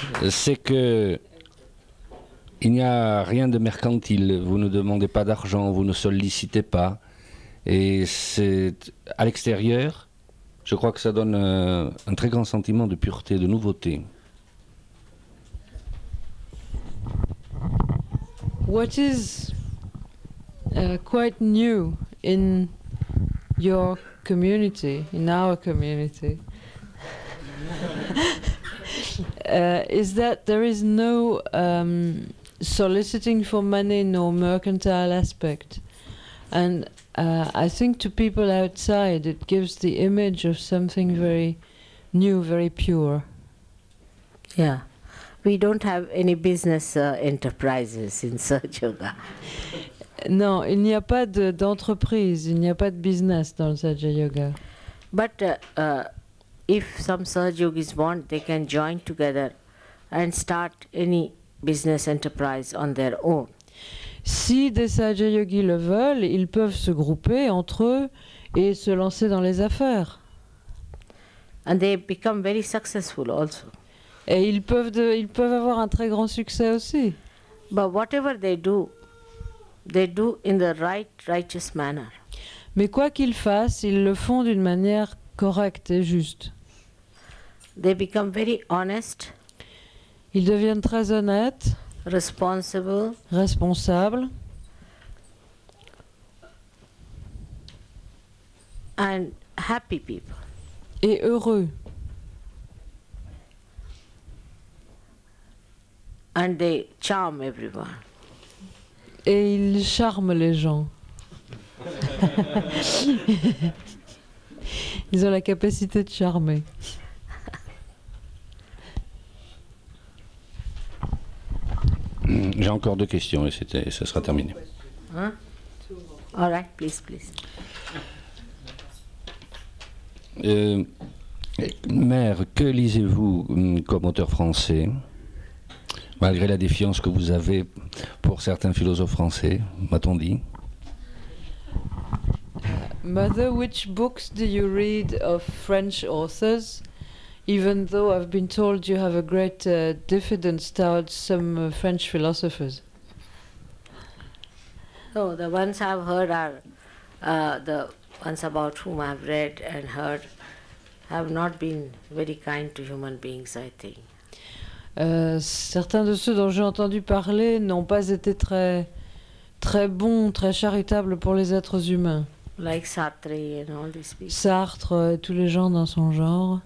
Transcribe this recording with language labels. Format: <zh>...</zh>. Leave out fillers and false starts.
<fr>C'est que il n'y a rien de mercantile, vous ne demandez pas d'argent, vous ne sollicitez pas. Et c'est à l'extérieur, je crois que ça donne un très grand sentiment de pureté, de nouveauté.</fr> <en>What is quite new in your community, in our community? Is that there is no soliciting for money, no mercantile aspect. And I think to people outside it gives the image of something very new, very pure. Yeah, we don't have any business enterprises in Sahaja Yoga.</en> <fr>Non, il n'y a pas de, d'entreprise, il n'y a pas de business dans le Sahaja Yoga.</fr> <en>But if some Sahaja Yogis want, they can join together and start any business enterprise on their own.</en> <fr>Si des Sahaja Yogis le veulent, ils peuvent se grouper entre eux et se lancer dans les affaires.</fr> <en>And they become very successful also.</en> <fr>Et ils peuvent, de, ils peuvent avoir un très grand succès aussi.</fr> <en>But whatever they do in the right, righteous manner.</en> <fr>Mais quoi qu'ils fassent, ils le font d'une manière correcte et juste.</fr> <en>They become very honest.</en> <fr>Ils deviennent très honnêtes.</fr> <en>Responsible.</en> <fr>Responsable.</fr> <en>And happy people.</en> <fr>Et heureux.</fr> <en>And they charm everyone.</en> <fr>Et ils charment les gens. Ils ont la capacité de charmer. J'ai encore deux questions et c'était, ça sera terminé.</fr> <en>Hein? All right, please, please.</en> <fr>Mère, que lisez-vous comme auteur français, malgré la défiance que vous avez pour certains philosophes français, m'a-t-on dit?</fr> <en>Mother, which books do you read of French authors, even though I've been told you have a great diffidence towards some French philosophers? Oh, the ones I've heard are the ones about whom I've read and heard have not been very kind to human beings, I think.</en> <fr>Certains de ceux dont j'ai entendu parler n'ont pas été très, très bons, très charitables pour les êtres humains.</fr> <en>Like Sartre and all these people.</en> <fr>Sartre et tous les gens dans son genre.</fr>